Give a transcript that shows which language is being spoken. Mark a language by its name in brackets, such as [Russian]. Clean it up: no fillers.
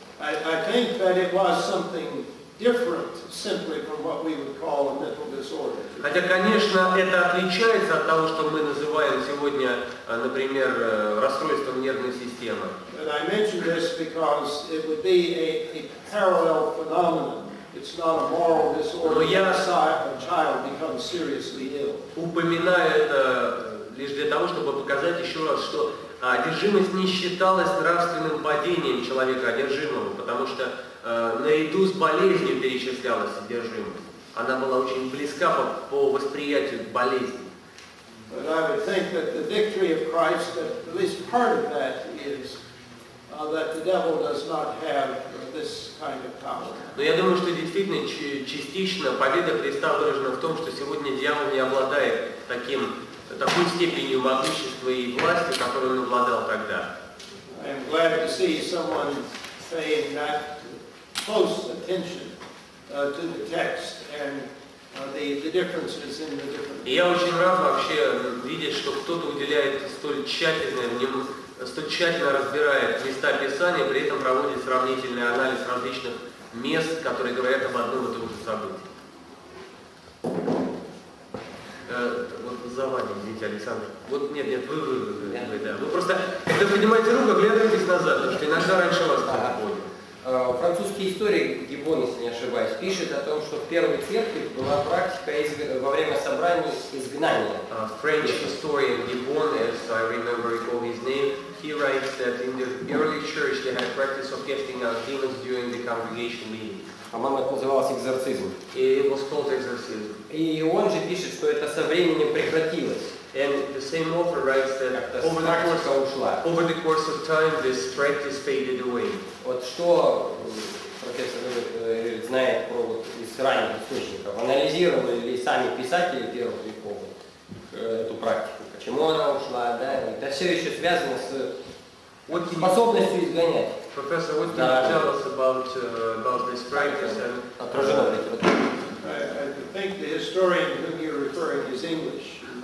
[English] I think that it was something different simply from what we would call a mental disorder. [Russian] Хотя, конечно, это отличается от того, что мы называем сегодня, например, расстройством нервной системы. [English] And I mention this because it would be a parallel phenomenon. It's not a moral disorder when a child becomes seriously ill. [Russian] Упоминаю это лишь для того, чтобы показать еще раз, что одержимость не считалась нравственным падением человека одержимого, потому что наряду с болезнью перечислялась одержимость. Она была очень близка по восприятию к болезни. [English] But I would think that the victory of Christ, at least part of that, is that the devil does not have this kind of power. [Russian] Но я думаю, что действительно частично победа Христа выражена в том, что сегодня дьявол не обладает такой степенью могущества и власти, которую он обладал тогда. [English] I am glad to see someone paying that close attention to the text and the differences in the different. [Russian] И я очень рад вообще видеть, что кто-то уделяет столь тщательно разбирает места Писания, при этом проводит сравнительный анализ различных мест, которые говорят об одном и том же событии. Вот за вами, извините, Александр. Вот нет, вы, да. Вы просто, когда поднимаете руку, оглядывайтесь назад, потому что иногда раньше вас кто-то понял. Французский историк Гибон, если не ошибаюсь, пишет о том, что в первой церкви была практика во время собраний изгнания. [English] French historian Gibon, as I remember recall his name, he writes that in the early church they had practice of casting out demons during the congregation meeting. [Russian] По-моему, это называлось экзорцизм. [English] It was called exorcism. [Russian] И он же пишет, что это со временем прекратилось. [English] And the same author writes that over the course of time, this practice faded away. [Russian] Вот что профессор знает про из ранних источников? Анализировали ли сами писатели первых веков эту практику? Почему она ушла? Да, это все еще связано с способностью изгонять. [English] Professor, what can you tell us about this practice? [Russian] Отражено ли это? [English] I think the historian whom you're referring is English.